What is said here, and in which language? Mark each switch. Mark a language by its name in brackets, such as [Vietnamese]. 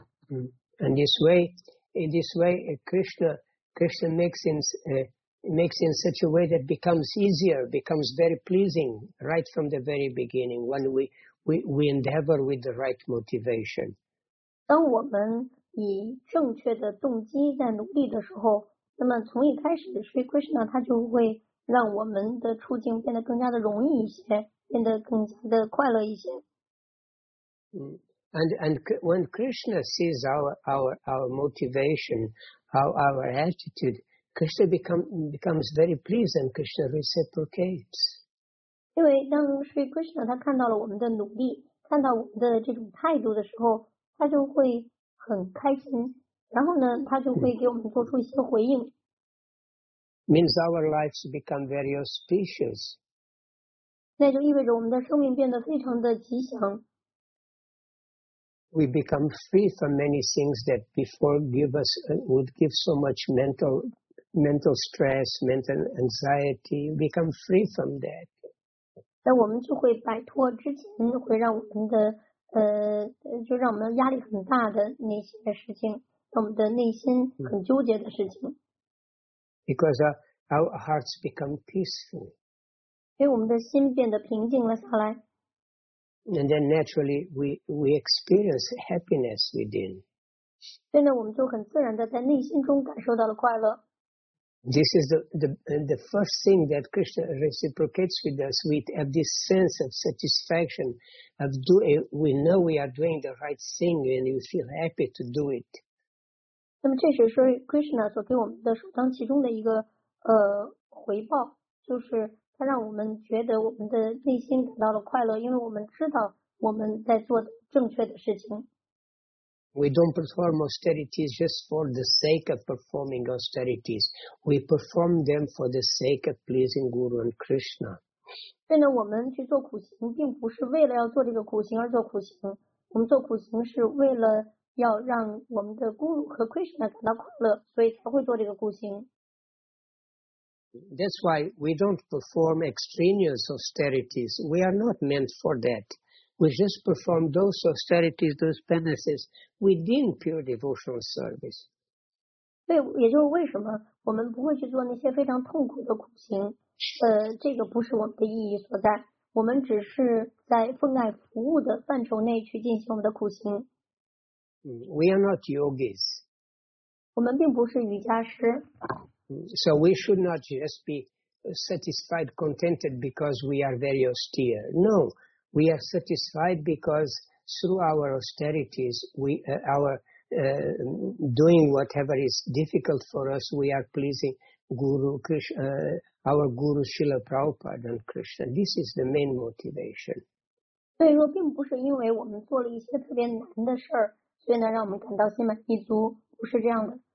[English] And in this way, Krishna makes in such a way that becomes easier, becomes very pleasing right from the very beginning when we endeavor with the right motivation. [Chinese] 当我们以正确的动机在努力的时候，那么从一开始 ，Sri Krishna 他就会让我们的处境变得更加的容易一些，变得更加的快乐一些。 [English] And when Krishna sees our motivation, our attitude, Krishna becomes very pleased and Krishna reciprocates. [Chinese] 因为当 Sri Krishna 他看到了我们的努力，看到我们的这种态度的时候，他就会很开心，然后呢，他就会给我们做出一些回应。 [English] Means our lives become very auspicious. [Chinese] 那就意味着我们的生命变得非常的吉祥。 [English] We become free from many things that before would give so much mental stress, mental anxiety. We become free from that. [Chinese] 那我们就会摆脱之前会让我们的就让我们压力很大的那些事情，我们的内心很纠结的事情。 [English] Because our hearts become peaceful. [Chinese] 因为我们的心变得平静了下来。 [English] And then naturally we experience happiness within. [Chinese] 现在我们就很自然的在内心中感受到了快乐。 [English] This is the first thing that Krishna reciprocates with us. We have this sense of satisfaction of doing. We know we are doing the right thing, and we feel happy to do it. [Chinese] 那么这是说 Krishna 所给我们的首当其冲的一个回报，就是。他让我们觉得我们的内心感到了快乐，因为我们知道我们在做正确的事情。 [English] We don't perform austerities just for the sake of performing austerities. We perform them for the sake of pleasing Guru and Krishna. [Chinese] 所以呢，我们去做苦行，并不是为了要做这个苦行而做苦行。我们做苦行是为了要让我们的 Guru 和 Krishna 感到快乐，所以才会做这个苦行。 [English] That's why we don't perform extraneous austerities. We are not meant for that. We just perform those austerities, those penances within pure devotional service. [Chinese] 对，也就是为什么我们不会去做那些非常痛苦的苦行。这个不是我们的意义所在。我们只是在奉爱服务的范畴内去进行我们的苦行。 [English] We are not yogis. [Chinese] 我们并不是瑜伽师。 [English] So we should not just be satisfied, contented because we are very austere. No, we are satisfied because through our austerities, doing whatever is difficult for us, we are pleasing Guru Krishna, our Guru Srila Prabhupada and Krishna. This is the main motivation. [Chinese] 所以说并不是因为我们做了一些特别难的事儿，所以呢让我们感到心满意足，不是这样的。